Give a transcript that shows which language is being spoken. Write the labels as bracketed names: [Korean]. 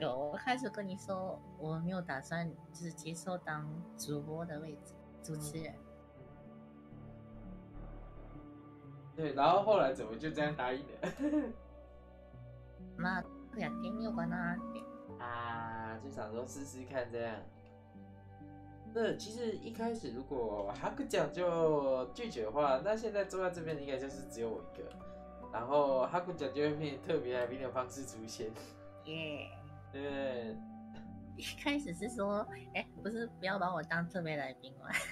[Chinese] 有，我开始跟你说，我没有打算就是接受当主播的位置，主持人。对，然后后来怎么就这样答应了？ [Japanese] まあ、とやってみようかなって。 [Chinese] 啊，就想说试试看这样。那其实一开始如果哈克讲就拒绝的话，那现在坐在这边应该就是只有我一个。然后哈古奖就会变特别来宾的方式出现。耶、 yeah. ，对。一开始是说，哎，不是不要把我当特别来宾吗？